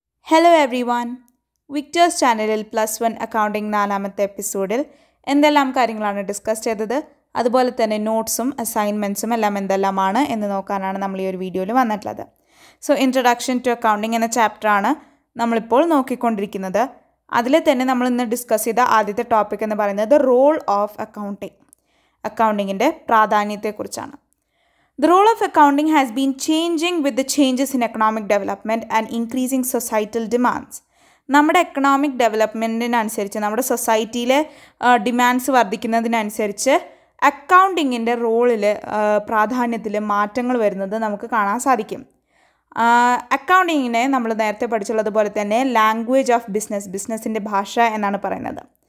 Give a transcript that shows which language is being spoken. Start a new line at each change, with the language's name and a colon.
Malayalam: Hello every one, Victers ചാനലിൽ plus one accounting നാലാമത്തെ എപ്പിസോഡിൽ എന്തെല്ലാം കാര്യങ്ങളാണ് ഡിസ്കസ് ചെയ്തത്, അതുപോലെ തന്നെ നോട്ട്സും അസൈൻമെൻറ്റ്സും എല്ലാം എന്തെല്ലാമാണ് എന്ന് നോക്കാനാണ് നമ്മൾ ഈ ഒരു വീഡിയോയിൽ വന്നിട്ടുള്ളത്. സോ ഇൻട്രൊഡക്ഷൻ ടു അക്കൗണ്ടിംഗ് എന്ന ചാപ്റ്ററാണ് നമ്മളിപ്പോൾ നോക്കിക്കൊണ്ടിരിക്കുന്നത്. അതിൽ തന്നെ നമ്മൾ ഇന്ന് ഡിസ്കസ് ചെയ്ത ആദ്യത്തെ ടോപ്പിക് എന്ന് പറയുന്നത് role of accounting, അക്കൗണ്ടിങ്ങിൻ്റെ പ്രാധാന്യത്തെക്കുറിച്ചാണ്.
English: The role of accounting has been changing with the changes in economic development and increasing societal demands.
Malayalam: നമ്മുടെ എക്കണോമിക് ഡെവലപ്മെൻറ്റിനനുസരിച്ച്, നമ്മുടെ സൊസൈറ്റിയിലെ ഡിമാൻഡ്സ് വർദ്ധിക്കുന്നതിനനുസരിച്ച് അക്കൗണ്ടിങ്ങിൻ്റെ റോളിൽ പ്രാധാന്യത്തിൽ മാറ്റങ്ങൾ വരുന്നത് നമുക്ക് കാണാൻ സാധിക്കും. അക്കൗണ്ടിങ്ങിനെ നമ്മൾ നേരത്തെ പഠിച്ചുള്ളതുപോലെ തന്നെ ലാംഗ്വേജ് ഓഫ് ബിസിനസ്, ബിസിനസ്സിൻ്റെ ഭാഷ എന്നാണ് പറയുന്നത്.